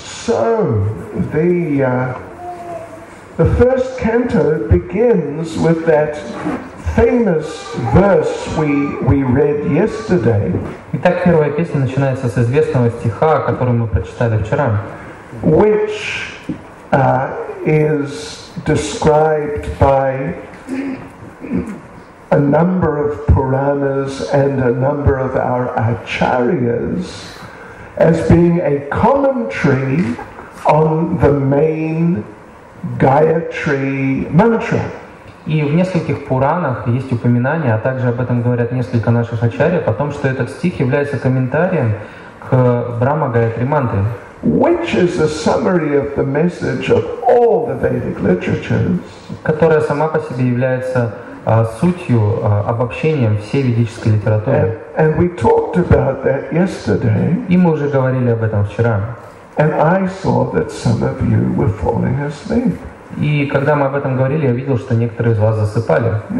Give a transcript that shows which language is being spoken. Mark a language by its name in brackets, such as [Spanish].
[English] So the first canto begins with that famous verse we read yesterday. [Russian] Итак, первая песня начинается с известного стиха, который мы прочитали вчера. [English] Which is described by a number of Puranas and a number of our Acharyas as being a commentary on the main Gayatri mantra. [Russian] И в нескольких Пуранах есть упоминание, а также об этом говорят несколько наших Ачарьев, о том, что этот стих является комментарием к Брахма Гаятри мантре. [English] Which is a summary of the message of all the Vedic literatures, [Russian] которая сама по себе является сутью, обобщением всей ведической литературы. [English] And we talked about that yesterday. [Russian] И мы уже говорили об этом вчера. [English] And I saw that some of you were falling asleep. [Russian] И когда мы об этом говорили, я видел, что некоторые из вас засыпали.